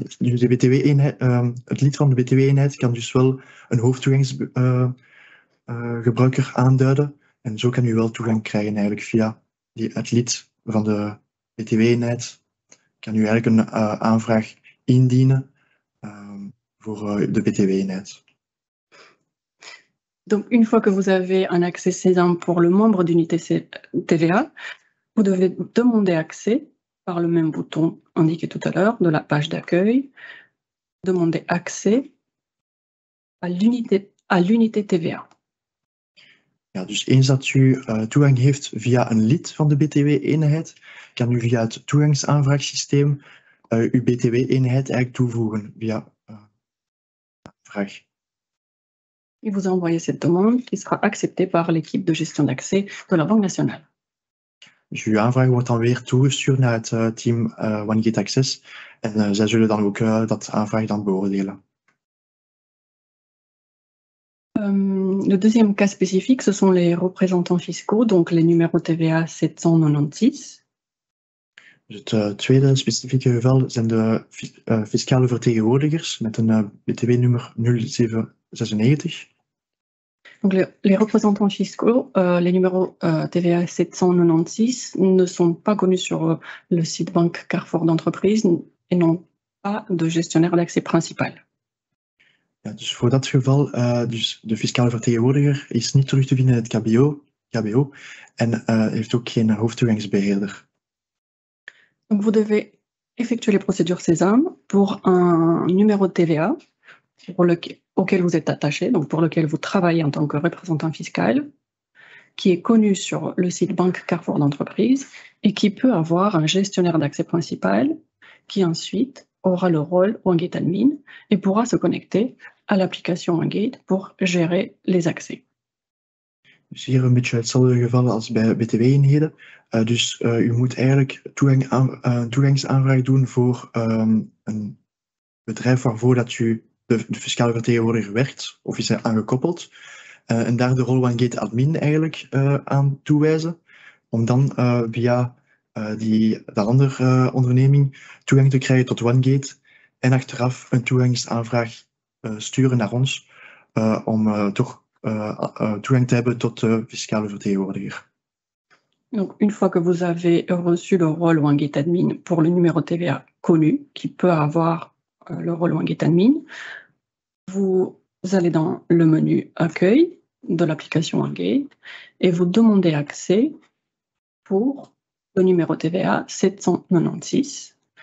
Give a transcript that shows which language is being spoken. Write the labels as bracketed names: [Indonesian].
[Dutch] Het lid van de BTW-eenheid kan dus wel een hoeftoegangsgebruiker aanduiden. En zo kan u wel toegang krijgen eigenlijk via het lid van de BTW-eenheid. Kan u eigenlijk een aanvraag indienen voor de BTW-eenheid. [French] Donc, une fois que vous avez un accès SESAM pour le membre d'unité TVA, vous devez demander accès par le même bouton indiqué tout à l'heure de la page d'accueil. Demander accès à l'unité TVA. [Dutch] Ja, dus eens dat u toegang heeft via een lid van de BTW-eenheid, kan u via het toegangsaanvraagsysteem uw BTW-eenheid eigenlijk toevoegen via aanvraag. [French] Et vous envoyez cette demande qui sera acceptée par l'équipe de gestion d'accès de la Banque nationale. Je lui envoie votre envoyer tout sur notre team OneGate Access et ça je le donne au cœur dans l'envoi dans beaucoup. Le deuxième cas spécifique, ce sont les représentants fiscaux, donc les numéros TVA 796. [Dutch] Het tweede spécifieke geval zijn de fiscale vertegenwoordigers met een BTW nummer 0796. [French] Donc les représentants fiscaux, les numéros TVA 796 ne sont pas connus sur le site Banque Carrefour d'entreprise et n'ont pas de gestionnaire d'accès principal. [Dutch] Ja, dus voor dat geval, dus de fiscale vertegenwoordiger is niet terug te vinden in het KBO en heeft ook geen hoofdtoegangsbeheerder. [French] Donc vous devez effectuer les procédures SESAM pour un numéro TVA pour lequel auquel vous êtes attaché, donc pour lequel vous travaillez en tant que représentant fiscal, qui est connu sur le site Banque Carrefour d'entreprise et qui peut avoir un gestionnaire d'accès principal qui ensuite aura le rôle OneGate Admin et pourra se connecter à l'application OneGate pour gérer les accès. [Dutch] Dus hier een beetje hetzelfde geval als bij BTW-eenheden. Dus u moet eigenlijk toegangsaanvraag doen voor een bedrijf waarvoor dat u de fiscale vertegenwoordiger werkt of is aangekoppeld en daar de rol OneGate Admin eigenlijk aan toewijzen om dan via die andere onderneming toegang te krijgen tot OneGate en achteraf een toegangsaanvraag sturen naar ons om toch toegang te hebben tot de fiscale vertegenwoordiger. [French] Donc, une fois que vous avez reçu le rôle Wingate Admin pour le numéro TVA connu, qui peut avoir le rôle Wingate Admin, vous allez dans le menu Accueil de l'application Wingate et vous demandez accès pour le numéro TVA 796.